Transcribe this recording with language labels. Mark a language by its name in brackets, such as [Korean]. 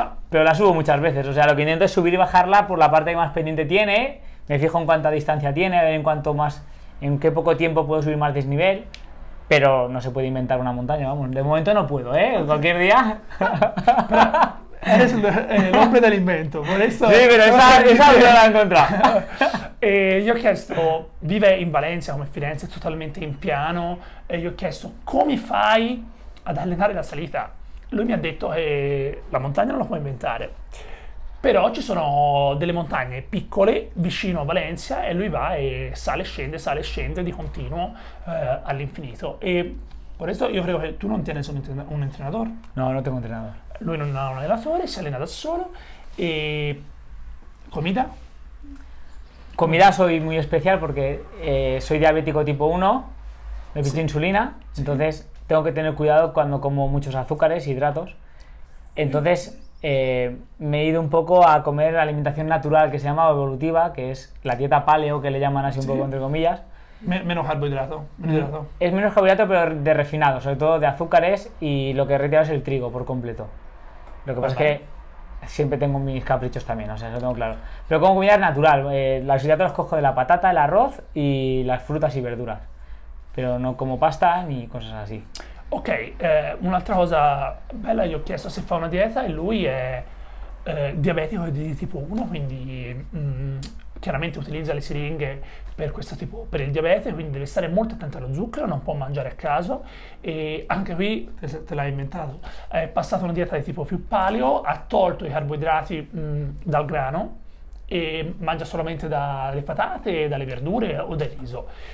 [Spanish] Pero la subo muchas veces, o sea, lo que intento es subir y bajarla por la parte que más pendiente tiene, me fijo en cuánta distancia tiene, en qué poco tiempo puedo subir más desnivel, pero no se puede inventar una montaña, vamos, de momento no puedo, ¿eh? Cualquier día... Eres el hombre del invento, por eso... Sí, pero esa no la he encontrado. [Italian] Gli ho chiesto, vive in Valencia come Firenze, totalmente in piano, e gli ho chiesto come fai ad allenare la salita. Lui mi ha detto che la montagna non la puoi inventare, però ci sono delle montagne piccole vicino a Valencia e lui va e sale e scende di continuo all'infinito. E per questo io credo che tu non tieni solo un entrenatore. No, non tengo un entrenatore. Lui non ha un allenatore, si allena da solo. [Spanish] E comida? Comida soy muy especial porque soy diabético tipo 1, me piso insulina, entonces tengo que tener cuidado cuando como muchos azúcares, hidratos. Entonces me he ido un poco a comer alimentación natural que se llama evolutiva, que es la dieta paleo, que le llaman así un poco entre comillas. Menos carbohidrato. Es menos carbohidrato, pero de refinado, sobre todo de azúcares, y lo que he retirado es el trigo por completo. Lo que pasa es que siempre tengo mis caprichos también, o sea, eso tengo claro. Pero como comida natural, los hidratos los cojo de la patata, el arroz y las frutas y verduras. Pero no como pasta ni cosas así. [Italian] Ok, un'altra cosa bella, gli ho chiesto se fa una dieta e lui è diabetico di tipo 1, quindi chiaramente utilizza le siringhe per questo tipo, per il diabete, quindi deve stare molto attento allo zucchero, non può mangiare a caso. E anche qui, te l'hai inventato, è passato una dieta di tipo più paleo, ha tolto i carboidrati dal grano e mangia solamente dalle patate, dalle verdure o del riso.